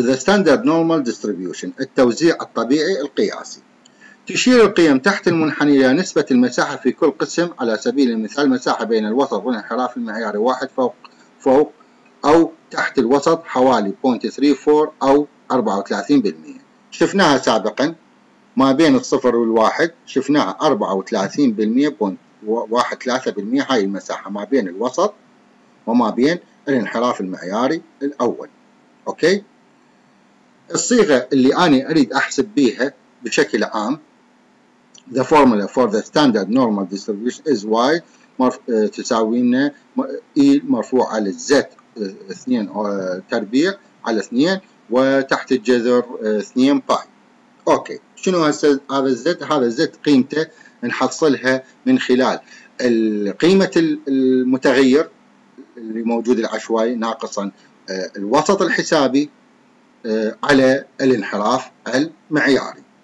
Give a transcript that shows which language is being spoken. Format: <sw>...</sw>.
<en>The standard normal distribution</en> <ar>التوزيع الطبيعي القياسي. تشير القيم تحت المنحني الى نسبه المساحه في كل قسم، على سبيل المثال مساحه بين الوسط والانحراف المعياري واحد فوق او تحت الوسط حوالي 0.34 او 34%. شفناها سابقا ما بين الصفر والواحد، شفناها 34% 1.3% هاي المساحة ما بين الوسط وما بين الانحراف المعياري الأول. أوكي، الصيغة اللي أنا أريد أحسب بيها بشكل عام</ar> <en>the formula for the standard normal distribution is y</en> <ar>تساوينا e مرفوع على z 2 تربيع على 2 وتحت الجذر 2 باي. اوكي شنو هذا z؟ هذا z قيمته نحصلها من خلال قيمة المتغير اللي موجود العشوائي ناقصا الوسط الحسابي على الانحراف المعياري.</ar>